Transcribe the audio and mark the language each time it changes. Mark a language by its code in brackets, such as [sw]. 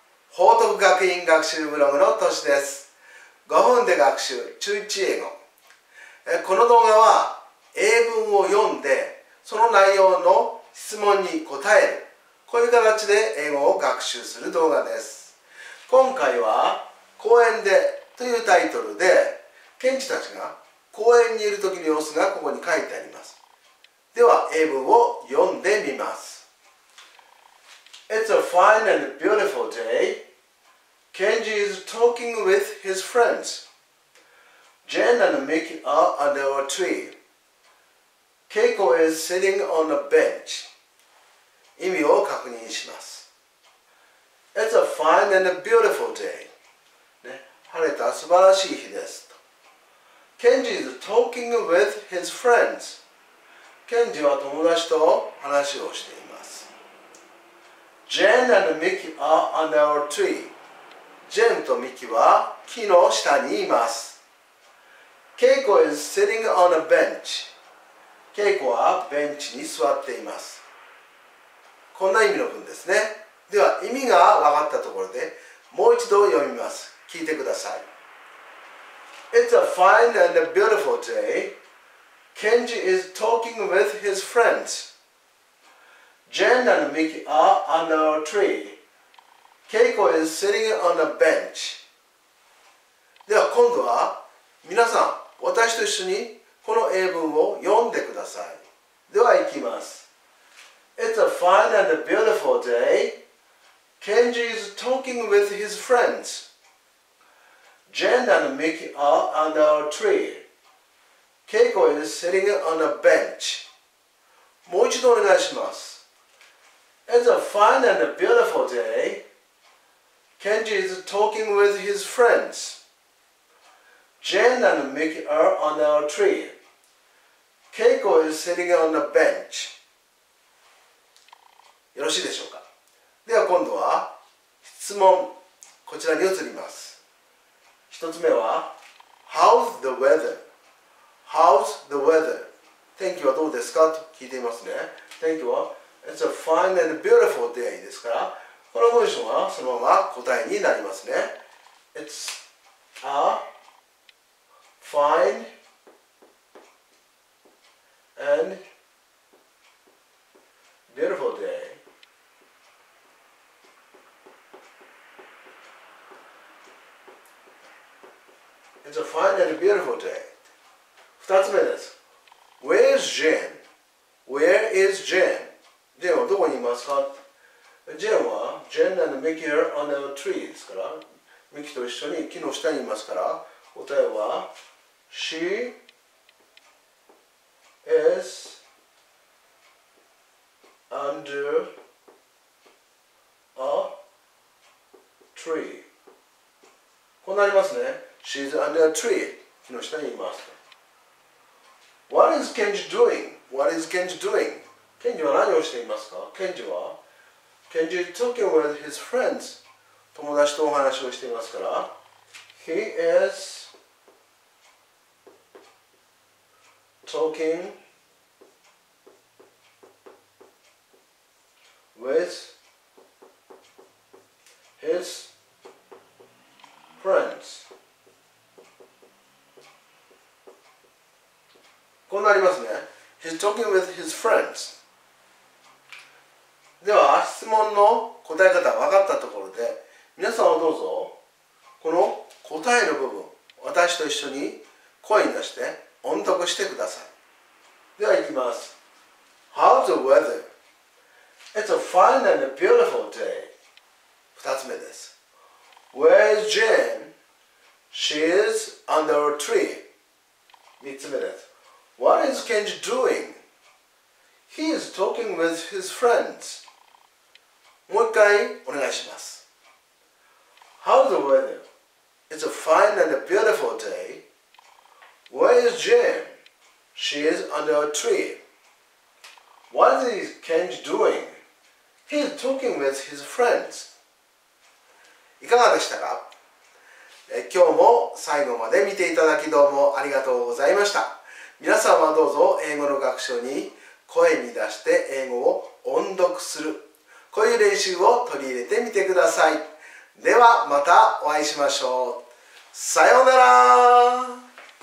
[ja] 法徳学院学習ブログのトシです。5分で学習中1英語、この動画は英文を読んでその内容の質問に答える、こういう形で英語を学習する動画です。今回は公園でというタイトルで、ケンジたちが公園にいる時の様子がここに書いてあります。では英文を読んでみます。 [en] It's a fine and beautiful day. Kenji is talking with his friends. Jen and Miki are under a tree. Keiko is sitting on a bench. [ja] 意味を確認します。 [en] It's a fine and beautiful day.、 [ja] ね、晴れた素晴らしい日です。 [en] Kenji is talking with his friends. [ja] Kenji は友達と話をしています。 [en] Jen and Miki are under a tree. [ja] Jen と Miki は木の下にいます。 [en] Keiko is sitting on a bench. [ja] Keiko はベンチに座っています。こんな意味の文ですね。では意味が分かったところでもう一度読みます。聞いてください。 [en] It's a fine and a beautiful day. Kenji is talking with his friends. Jen and Miki are under a tree. Keiko is sitting on a bench. [ja] では今度は皆さん、私と一緒にこの英文を読んでください。では行きます。 [en] It's a fine and a beautiful day. Kenji is talking with his friends. Jen and Miki are under a tree. Keiko is sitting on a bench. [ja] もう一度お願いします。 [en] It's a fine and a beautiful day. Kenji is talking with his friends. Jen and Miki are under a tree. Keiko is sitting on a bench. [ja] よろしいでしょうか。では今度は質問、こちらに移ります。一つ目は [en] How's the weather? How's the weather? [ja] 天気はどうですかと聞いていますね。天気は [en] It's a fine and beautiful day [ja] ですから、この文章はそのまま答えになりますね。 [en] It's a fine and beautiful day. It's a fine and beautiful day. [ja] 二つ目です。 [en] Where's Jen? Where is Jen? [ja] ジェンはどこにいますか？ジェンは、ジェン [en] and Miki are under a tree [ja] ですから、ミキと一緒に木の下にいますから、答えは、 [en] She is under a tree。 [ja] こうなりますね。 [en] She is under a tree。 [ja] 木の下にいます。 [en] What is Kenji doing? What is Kenji doing? [ja] ケンジは何をしていますか？ケンジは、 [en] ケンジ is talking with his friends. [ja] 友達とお話をしていますから、 [en] He is talking with his friends. [ja] こうなりますね。 [en] He's talking with his friends. [ja] では質問の答え方が分かったところで、皆さんはどうぞこの答える部分、私と一緒に声に出して音読してください。ではいきます。 [en] How's the weather? It's a fine and a beautiful day. [ja] 二つ目です。 [en] Where's Jane? She is under a tree. [ja] 三つ目です。 [en] What is Kenji doing? He is talking with his friends [ja] もう一回お願いします。 [en] How's the weather? It's a fine and a beautiful day. Where is Jim? She is under a tree. What is Kenji doing? He's talking with his friends. [ja] いかがでしたか？今日も最後まで見ていただきどうもありがとうございました。皆さんはどうぞ英語の学習に声に出して英語を音読する。こういう練習を取り入れてみてください。ではまたお会いしましょう。さようなら。